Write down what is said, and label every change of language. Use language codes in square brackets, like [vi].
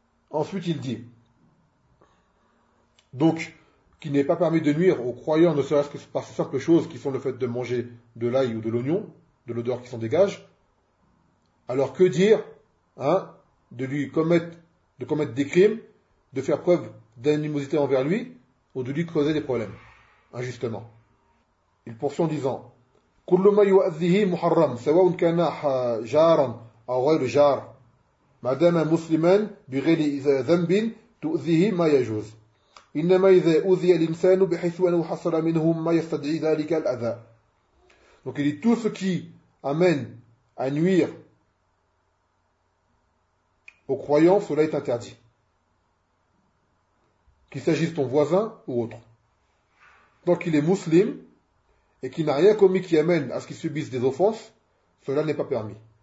[fr] Ensuite, il dit, donc, qu'il n'est pas permis de nuire aux croyants, ne serait-ce que par ces simples choses qui sont le fait de manger de l'ail ou de l'oignon, de l'odeur qui s'en dégage, alors que dire, hein, de commettre des crimes, de faire preuve d'animosité envers lui, ou de lui creuser des problèmes, injustement. Il poursuit en disant, [ar] كل ما يؤذيه محرم سواء كان جارا أو غير جار ما دام مسلما بغير ذنب تؤذيه ما يجوز إنما إذا أذي الإنسان بحيث أنه حصل منه ما يستدعي ذلك الأذى. [fr] Donc il dit tout ce qui amène à nuire aux croyants, cela est interdit. Qu'il s'agisse de ton voisin ou autre. Tant qu'il est musulman et qui n'a rien commis qui amène à ce qu'il subisse des offenses, cela n'est pas permis.